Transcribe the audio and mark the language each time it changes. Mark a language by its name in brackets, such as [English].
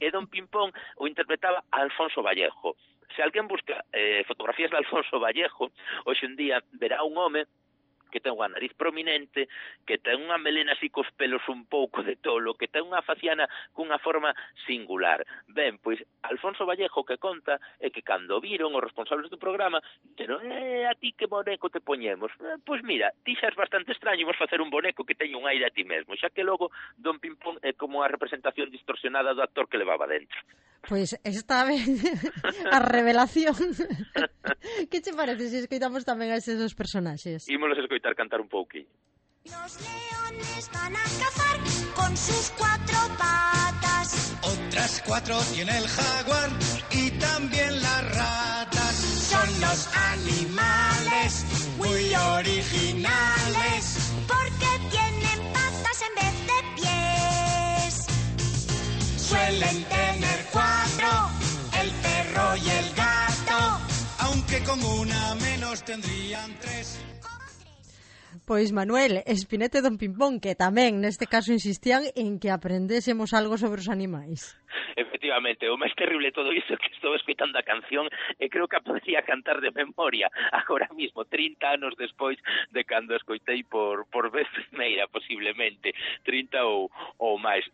[Galician] E Don Pimpón o interpretaba Alfonso Vallejo. Se alguén busca fotografías de Alfonso Vallejo, hoxe un día verá un home que ten unha nariz prominente, que ten unha melena así cos pelos un pouco de tolo, que ten unha faciana cunha forma singular. Ben, pois Alfonso Vallejo que conta é que cando viron os responsables do programa, dixeron, a ti que boneco te poñemos? Pois mira, ti xa es bastante extraño, vos facer un boneco que teña un aire a ti mesmo, xa que logo Don Pimpón é como a representación distorsionada do actor que levaba dentro. Pois esta vez a revelación. Que te parece se escoitamos tamén a estes dos personaxes? Ímolos escoitar cantar un pouquinho. [Spanish] Los leones van a cazar con sus cuatro patas. Otras cuatro tiene el jaguar y también las ratas. Son los animales muy originales porque tienen patas en vez de pies. Suelen tener cuatro, el perro y el gato, aunque con una menos tendrían tres. [Galician] Pois Manuel, Espinete e Don Pimpón, que tamén neste caso insistían en que aprendésemos algo sobre os animais. Efectivamente, o máis terrible todo isto que estou escutando a canción e creo que a podría cantar de memoria agora mismo, 30 anos despois de cando escoitei por vez primeira, posiblemente 30 ou máis.